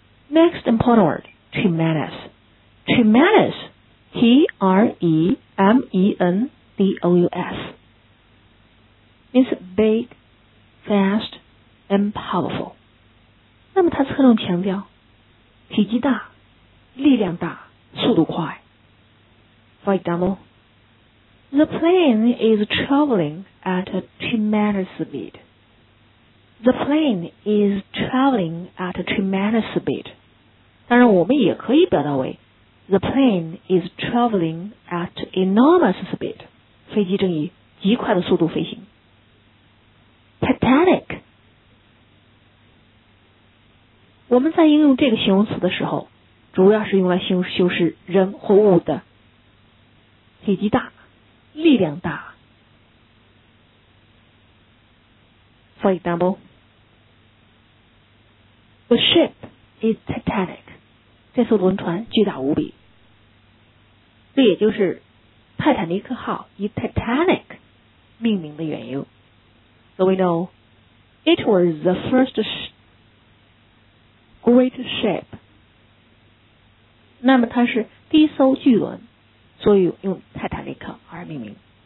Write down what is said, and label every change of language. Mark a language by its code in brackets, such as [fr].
[en] Next important word, tremendous. Tremendous, T-R-E-M-E-N-D-O-U-S means big, fast, and powerful. [zh] 那么它侧重强调体积大、力量大、速度快。 [en] For example,The plane is traveling at a tremendous speed. The plane is traveling at a tremendous speed. [zh] 当然我们也可以表达为 [en] The plane is traveling at enormous speed. [zh] 飞机正以极快的速度飞行。 [en] Titanic. [zh] 我们在应用这个形容词的时候，主要是用来形容修饰人或物的体积大。力量大。 [en] For example, the ship is titanic. [zh] 这艘轮船巨大无比。这也就是泰坦尼克号以 titanic 命名的缘由。 [en] So we know, it was the first great ship. [zh] 那么它是第一艘巨轮。所以用泰坦尼克而命名。